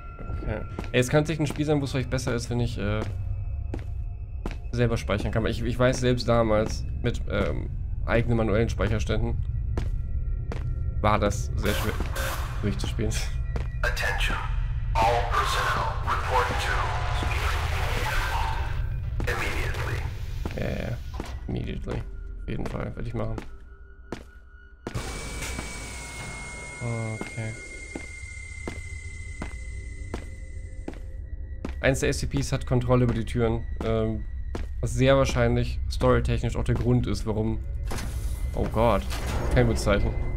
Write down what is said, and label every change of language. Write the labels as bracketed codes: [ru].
[de] Okay. Ey, es kann sich ein Spiel sein, wo es vielleicht besser ist, wenn ich selber speichern kann. Ich weiß selbst damals, mit eigenen manuellen Speicherständen, war das sehr schwer durchzuspielen. [en] Attention. All personnel report to immediately. Yeah. Immediately. [de] Auf jeden Fall, werde ich machen. Okay. Eins der SCPs hat Kontrolle über die Türen. Was sehr wahrscheinlich storytechnisch auch der Grund ist, warum. Oh Gott. Kein gutes Zeichen.